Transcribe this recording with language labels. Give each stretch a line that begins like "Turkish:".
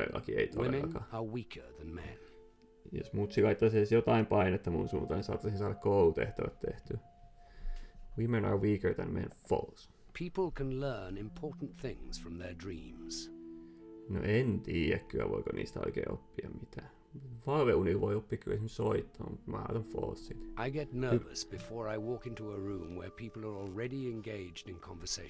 Finnish: Todellakin, ei todellakaan.
English: Women are weaker than men.
Finnish: Jos mutsi laittaisi edes jotain painetta mun suuntaan, niin saattaisin saada koulutehtävät tehtyä.
English: Women are weaker than men. False. People can learn important things from their dreams.
Finnish: No en tiedä kyllä, voiko niistä oikein oppia mitään. Valveuni voi oppia kyllä esimerkiksi soittaa, mutta mä ajattelen falsit.
English: I get nervous before I walk into a room where people are already engaged in conversation.